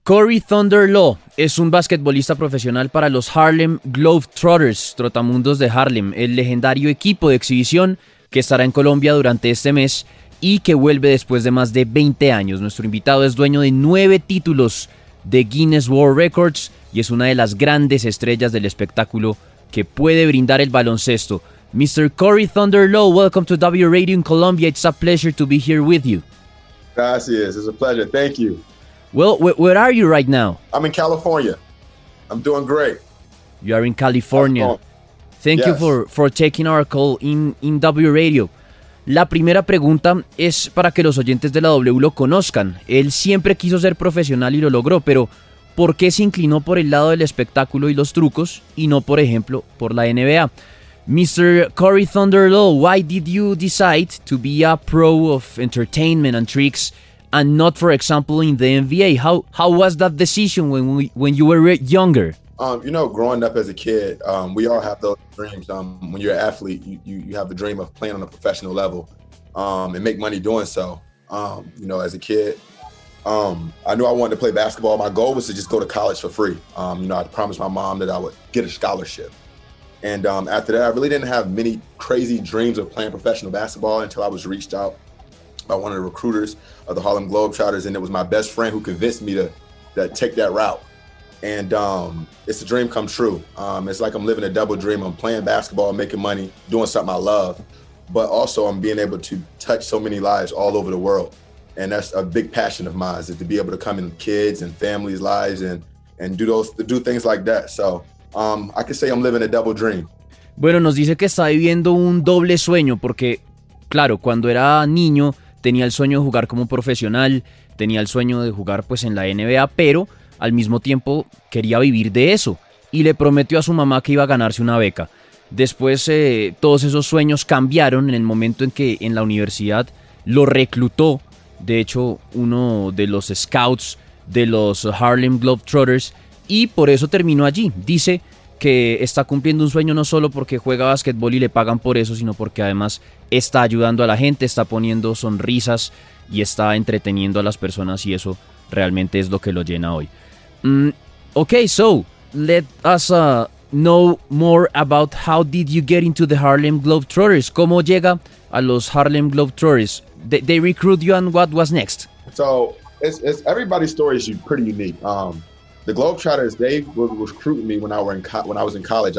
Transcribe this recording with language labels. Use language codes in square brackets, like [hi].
[es] Corey Thunder Law es un basquetbolista profesional para los Harlem Globetrotters, Trotamundos de Harlem, el legendario equipo de exhibición que estará en Colombia durante este mes y que vuelve después de más de 20 años. Nuestro invitado es dueño de 9 títulos de Guinness World Records y es una de las grandes estrellas del espectáculo que puede brindar el baloncesto. [en] Mr. Corey Thunder Law, welcome to W Radio in Colombia. It's a pleasure to be here with you. Gracias, it's a pleasure. Thank you. Well, where are you right now? I'm in California. I'm doing great. You are in California. Thank you for taking our call in W Radio. [es] La primera pregunta es para que los oyentes de la W lo conozcan. Él siempre quiso ser profesional y lo logró, pero ¿por qué se inclinó por el lado del espectáculo y los trucos y no, por ejemplo, por la NBA? [en] Mr. Corey Thunder Law, why did you decide to be a pro of entertainment and tricks and not, for example, in the NBA? How was that decision when you were younger? You know, growing up as a kid, we all have those dreams. When you're an athlete, you have the dream of playing on a professional level and make money doing so. You know, as a kid, I knew I wanted to play basketball. My goal was to just go to college for free. You know, I promised my mom that I would get a scholarship. And after that, I really didn't have many crazy dreams of playing professional basketball until I was reached out by one of the recruiters of the Harlem Globetrotters. And it was my best friend who convinced me to take that route. And it's a dream come true. It's like I'm living a double dream. I'm playing basketball, making money, doing something I love, but also I'm being able to touch so many lives all over the world. And that's a big passion of mine, is to be able to come in kids and families' lives and do things like that. So I could say I'm living a double dream. [es] Bueno, nos dice que está viviendo un doble sueño porque, claro, cuando era niño tenía el sueño de jugar como profesional, tenía el sueño de jugar pues en la NBA, pero al mismo tiempo quería vivir de eso y le prometió a su mamá que iba a ganarse una beca. Después todos esos sueños cambiaron en el momento en que en la universidad lo reclutó. De hecho, uno de los scouts de los Harlem Globetrotters y por eso terminó allí. Dice que está cumpliendo un sueño no solo porque juega básquetbol y le pagan por eso, sino porque además está ayudando a la gente, está poniendo sonrisas y está entreteniendo a las personas y eso realmente es lo que lo llena hoy. [en] Okay, so let us know more about how did you get into the Harlem Globetrotters. [es] ¿Cómo llega a los Harlem Globetrotters? [en] They recruit you and what was next? So it's everybody's story is pretty unique. The Globetrotters, they were recruiting me when I was in college.